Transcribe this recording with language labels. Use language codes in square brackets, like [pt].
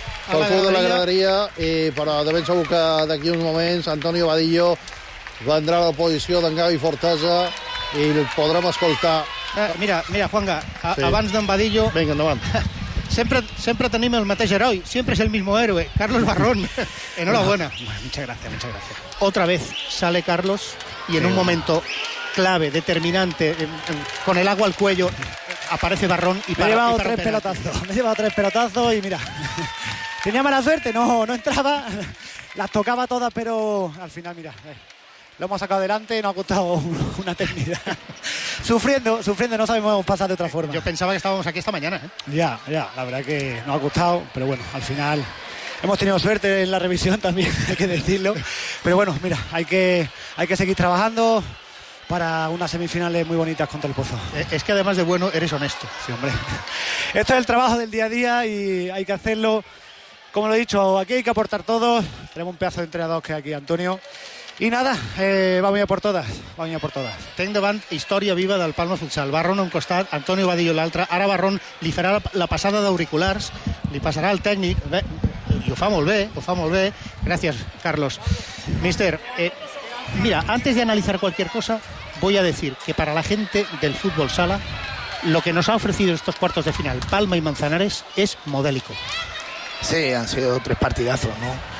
[ca] Qualcú de la graderia, però de ben segur que d'aquí uns moments Antonio Vadillo vendrà a la posició d'en Gavi Fortesa i el podrem escoltar. Mira, Juanga, abans d'en Vadillo... Vinga, endavant. Sempre tenim el mateix heroi, sempre és [es] el mismo héroe, [ca] Carlos Barrón. [es] Enhorabuena. Muchas gracias. Otra vez sale Carlos y en un momento clave, determinante, con el agua al cuello, aparece Barrón y para... Me he llevado tres pelotazos y mira, tenía mala suerte, no entraba, las tocaba todas, pero al final, mira... Lo hemos sacado adelante y nos ha costado una eternidad. sufriendo, no sabemos pasar de otra forma. Yo pensaba que estábamos aquí esta mañana, ¿eh? Ya, la verdad que nos ha costado, pero bueno, al final hemos tenido suerte en la revisión también, hay que decirlo. Pero bueno, mira, hay que seguir trabajando, para unas semifinales muy bonitas contra el Pozo. Es que además de bueno, eres honesto. Sí, hombre. Esto es el trabajo del día a día y hay que hacerlo. Como lo he dicho, aquí hay que aportar todos. Tenemos un pedazo de entrenador que es aquí, Antonio. Y nada, vamos a por todas, vamos a por todas. [ca] Tengo davant historia viva del Palma Futsal. Barrón a un costat, Antonio Vadillo a l'altre. Ara Barrón li farà la passada d'auriculars, li passarà al tècnic. Bé, i ho fa molt bé, ho fa molt bé. Gràcies, Carlos. [es] Mister, mira, antes de analizar cualquier cosa, voy a decir que para la gente del fútbol sala, lo que nos ha ofrecido estos cuartos de final Palma y Manzanares es modélico. Sí, han sido tres partidazos, ¿no?